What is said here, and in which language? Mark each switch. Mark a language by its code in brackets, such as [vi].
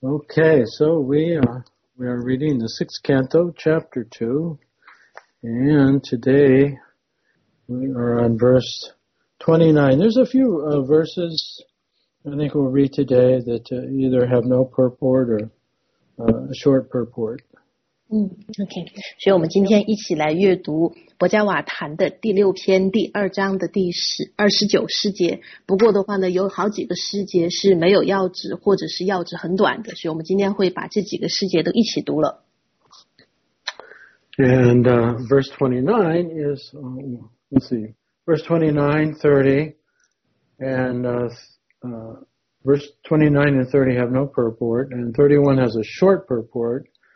[en] Okay, so we are reading the sixth canto, chapter 2, and today we are on verse 29. There's a few verses I think we'll read today that either have no purport or a short purport. Okay. [zh] 所以我们今天一起来阅读博加瓦坛的第六篇第二章的第29诗节。不过的话呢，有好几个诗节是没有要旨或者是要旨很短的，所以我们今天会把这几个诗节都一起读了。 [en] And verse 29 is, let's see, verse 29, 30, and verse 29 and 30 have no purport, and 31 has a short purport.